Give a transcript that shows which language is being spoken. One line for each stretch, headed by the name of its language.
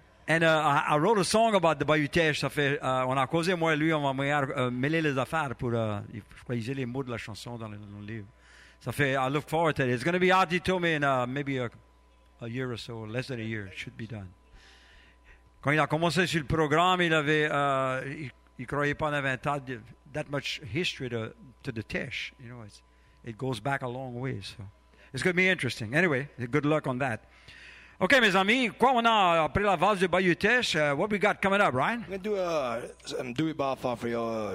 English: And I wrote a song about the Bayou Teche.
French: Ça fait, on a causé moi et lui, on va mêler les affaires pour croiser les mots de la chanson dans le livre. Ça fait,
English: I look forward to it. It's going to be out, he told me, in maybe a year or so, less than a year, it should be done.
French: Quand il a commencé sur le programme, il avait, il croyait pas en avant
English: that much history to the Teche. You know, it goes back a long way. So it's going to be interesting. Anyway, good luck on that.
French: OK, mes amis, quoi on a après la vase de Bayou Teche?
English: What we got coming up, Ryan? I'm going to do it by far for you.